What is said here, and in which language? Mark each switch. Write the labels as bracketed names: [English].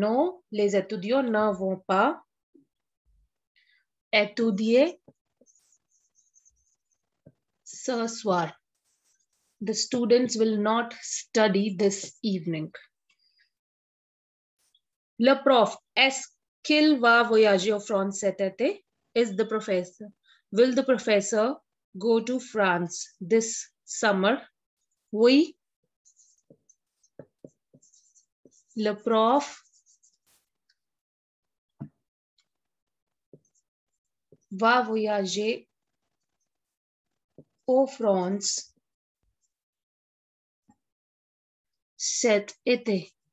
[French] No, les étudiants ne vont pas étudier ce soir. [English] The students will not study this evening. [French] Le prof, est-ce qu'il va voyager en France cet été? [English] Is the professor. Will the professor go to France this summer? [French] Oui. Le prof va voyager au France cet été.